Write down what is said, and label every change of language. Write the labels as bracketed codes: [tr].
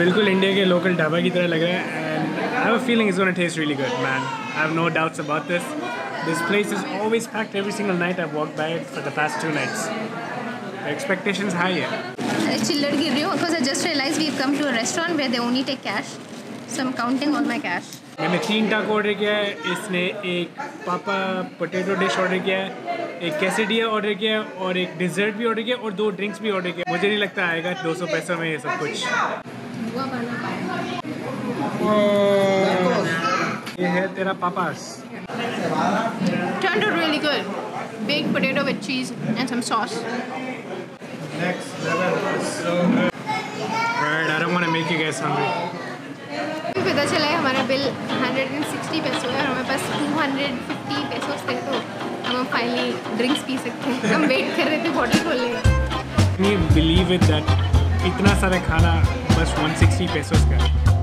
[hi] Bilkul India ke local dhaba ki tarah lag raha hai, [en] and I have a feeling it's gonna taste really good, man. I have no doubts about this. This place is always packed every single night I've walked by it for the past two nights. The expectations high [hi] hai. Chillad gir rahi ho, [en] because I just realized we've come to a restaurant where they only take cash. So I'm counting all my cash. [hi] मैंने तीन टाको order किया है, इसने एक पापा potato dish order किया है, एक कैसेडिया ऑर्डर किया है, और एक डिजर्ट भी ऑर्डर किया और दो ड्रिंक्स भी ऑर्डर किया. मुझे नहीं लगता आएगा 200 पैसे में ये सब कुछ. ये है तेरा papa's. [en] Turned out really good. Big potato with cheese and some sauce. Next level. So good. All right, I don't want to make you guys hungry. [hi] पता चला है हमारा बिल 160 पैसों है और हमें पास 250 पैसों थे, तो हम फाइनली ड्रिंक्स पी सकते हैं. हम वेट कर रहे थे बॉटल खोलने का. [en] Can you believe it that [hi] इतना सारा खाना बस 160 पैसों का.